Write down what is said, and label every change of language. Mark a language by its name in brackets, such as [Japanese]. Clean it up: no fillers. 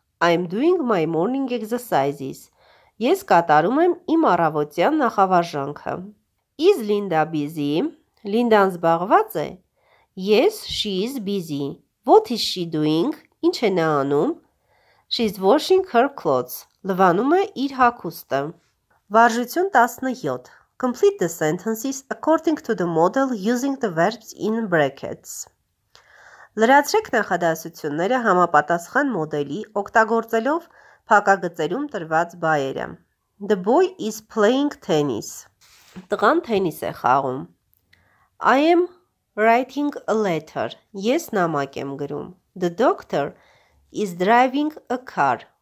[English] I'm doing my morning exercises. [Armenian] Ես կատարում եմ իմ առավոտյան նախավարժանքը։ [English] Is Linda busy? [Armenian] Linda-ն զբաղված է։ [English] Yes, she is busy. What is she doing? [Armenian] Ինչ է նա անում? [English] She's washing her clothes. [Armenian] Լվանում է իր հագուստը։ Վարժություն 17. [English] Complete the sentences according to the model using the verbs in brackets. [Armenian] Լրացրեք նախադասությունները համապատասխան մոդելի օգտագործելով փակագծերում տրված բայերը։ [English] The boy is playing tennis. [Armenian] Տղան թենիս է խաղում։ [English] I am writing a letter. [Armenian] Ես նամակ եմ գրում։ [English] The doctor is driving a car.